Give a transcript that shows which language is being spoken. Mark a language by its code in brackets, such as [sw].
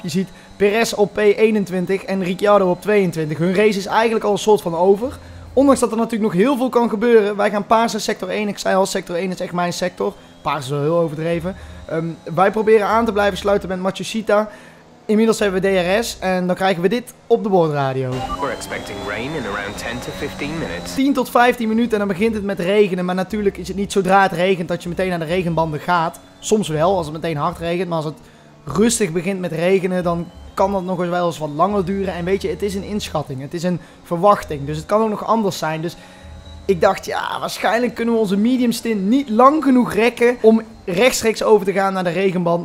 [nl] Je ziet Perez op P21 en Ricciardo op 22. Hun race is eigenlijk al een soort van over. Ondanks dat er natuurlijk nog heel veel kan gebeuren. Wij gaan paars naar sector 1. Ik zei al, sector 1 is echt mijn sector. Paars is wel heel overdreven. Wij proberen aan te blijven sluiten met Matsushita. Inmiddels hebben we DRS en dan krijgen we dit op de boordradio. [en] We're expecting rain in around 10 to 15 minutes. [nl] 10 tot 15 minuten en dan begint het met regenen. Maar natuurlijk is het niet zodra het regent dat je meteen naar de regenbanden gaat. Soms wel, als het meteen hard regent. Maar als het rustig begint met regenen, dan kan dat nog wel eens wat langer duren. En weet je, het is een inschatting. Het is een verwachting. Dus het kan ook nog anders zijn. Dus ik dacht, ja, waarschijnlijk kunnen we onze medium stint niet lang genoeg rekken om rechtstreeks over te gaan naar de regenband.